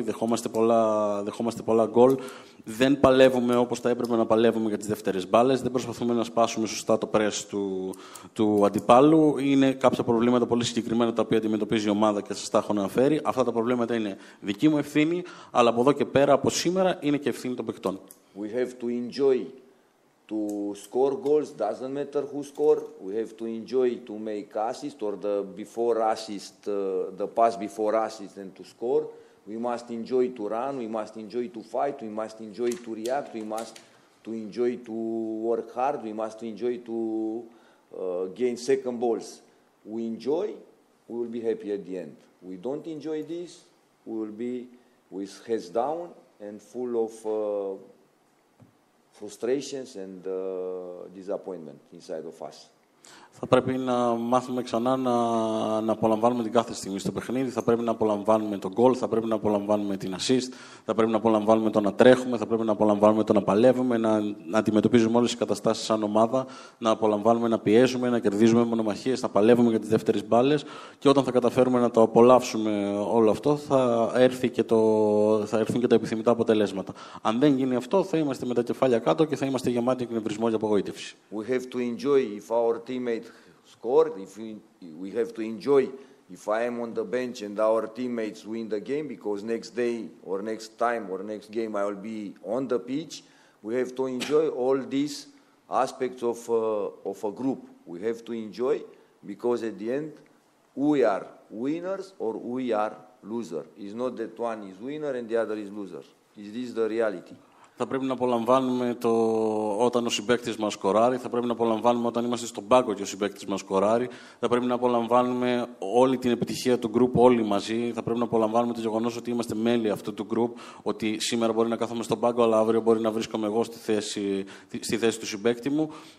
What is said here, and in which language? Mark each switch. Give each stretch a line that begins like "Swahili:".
Greek: Δεχόμαστε πολλά γκολ. Δεν παλεύουμε όπως θα έπρεπε να παλεύουμε για τις δεύτερες μπάλες. Δεν προσπαθούμε να σπάσουμε σωστά το press του αντιπάλου. Είναι κάποια προβλήματα πολύ συγκεκριμένα τα οποία αντιμετωπίζει η ομάδα και σας τα έχω αναφέρει. Αυτά τα προβλήματα είναι δική μου ευθύνη, αλλά από εδώ και πέρα, από σήμερα, είναι και ευθύνη των παικτών.
English: We have to enjoy to score goals, doesn't matter who score. We have to enjoy to make assist or the before assist, the pass before assist and to score. We must enjoy to run, we must enjoy to fight, we must enjoy to react, we must to enjoy to work hard, we must enjoy to gain second balls. We enjoy, we will be happy at the end. We don't enjoy this, we will be with heads down and full of frustrations and disappointment inside of us.
Greek: Θα πρέπει να μάθουμε ξανά να απολαμβάνουμε την κάθε στιγμή στο παιχνίδι. Θα πρέπει να απολαμβάνουμε τον goal, θα πρέπει να απολαμβάνουμε την assist, θα πρέπει να απολαμβάνουμε το να τρέχουμε, θα πρέπει να απολαμβάνουμε το να παλεύουμε, να αντιμετωπίζουμε όλες τις καταστάσεις σαν ομάδα, να απολαμβάνουμε να πιέζουμε, να κερδίζουμε μονομαχίες, να παλεύουμε για τις δεύτερες μπάλες. Και όταν θα καταφέρουμε να το απολαύσουμε όλο αυτό, θα έρθουν και τα επιθυμητά αποτελέσματα. Αν δεν γίνει αυτό, θα είμαστε με τα κεφάλια κάτω και θα είμαστε γεμάτοι εκνευρισμό και απογοήτευση.
English: We have to enjoy if our teammate scored, if we have to enjoy if I am on the bench and our teammates win the game, because next day or next time or next game I will be on the pitch. We have to enjoy all these aspects of a group. We have to enjoy, because at the end we are winners or we are losers. It's not that one is winner and the other is loser. Is this the reality?
Greek: Θα πρέπει να απολαμβάνουμε όταν ο συμπαίκτης μας σκοράρει, θα πρέπει να απολαμβάνουμε όταν είμαστε στον πάγκο και ο συμπαίκτης μας σκοράρει, θα πρέπει να απολαμβάνουμε όλη την επιτυχία του γκρουπ όλοι μαζί, θα πρέπει να απολαμβάνουμε το γεγονός ότι είμαστε μέλη αυτού του γκρουπ, ότι σήμερα μπορεί να κάθομαι στον πάγκο, αλλά αύριο μπορεί να βρίσκομαι εγώ στη θέση του συμπαίκτη μου.